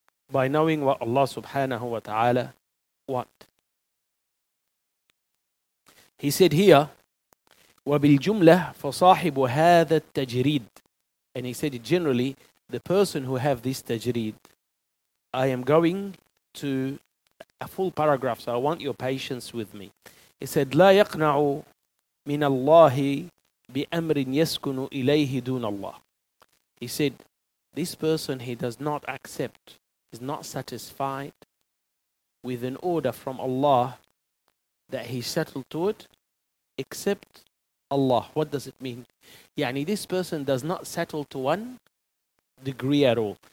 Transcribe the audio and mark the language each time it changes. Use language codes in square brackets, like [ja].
[en] By knowing what Allah subhanahu wa ta'ala wants. He said here, وَبِالْجُمْلَةِ فَصَاحِبُ هَذَا التَّجْرِيدِ And he said it generally, the person who have this tajreed, I am going to a full paragraph, so I want your patience with me. [ar] He said, لا يقنع من الله بأمر يسكن إليه دون الله. [en] He said, this person, he does not accept, is not satisfied with an order from Allah that he settled to it, except Allah. What does it mean? يعني this person does not settle to one degree at all.